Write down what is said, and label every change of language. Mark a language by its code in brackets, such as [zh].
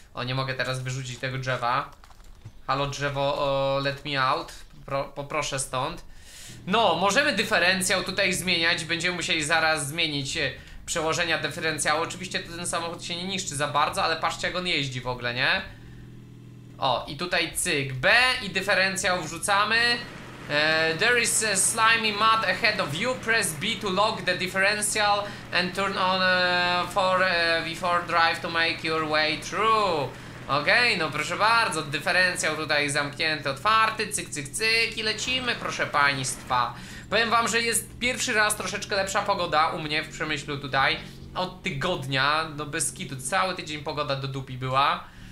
[pl] O, nie mogę teraz wyrzucić tego drzewa. Halo drzewo, [en] let me out, [pl] poproszę stąd. No, możemy dyferencjał tutaj zmieniać, będziemy musieli zaraz zmienić przełożenia dyferencjału. Oczywiście to ten samochód się nie niszczy za bardzo, ale patrzcie jak on jeździ w ogóle, nie? O, i tutaj cyk, B i dyferencjał wrzucamy. [en] There is a slimy mud ahead of you, press B to lock the differential and turn on V4 drive to make your way through. [pl] Okej, no proszę bardzo, dyferencjał tutaj zamknięty, otwarty, cyk, cyk, cyk i lecimy, proszę państwa. Powiem wam, że jest pierwszy raz troszeczkę lepsza pogoda u mnie w Przemyślu tutaj od tygodnia, no bez kitu, cały tydzień pogoda do dupi była.